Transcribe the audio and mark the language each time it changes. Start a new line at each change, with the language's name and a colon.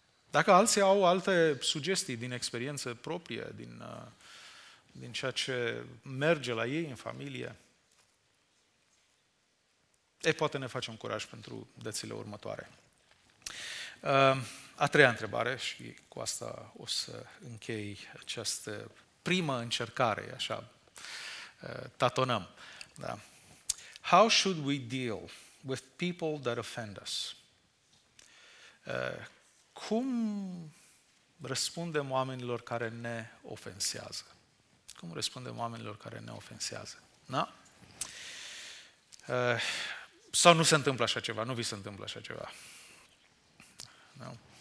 Romanian: Dacă alții au alte sugestii din experiență proprie, din ceea ce merge la ei în familie, poate ne facem curaj pentru dățile următoare. A treia întrebare, și cu asta o să închei această primă încercare, așa, tatonăm. Da.
English: How should we deal with people that offend us?
Romanian: Cum răspundem oamenilor care ne ofensează? Cum răspundem oamenilor care ne ofensează? Da? Sau nu se întâmplă așa ceva? Nu vi se întâmplă așa ceva? Da.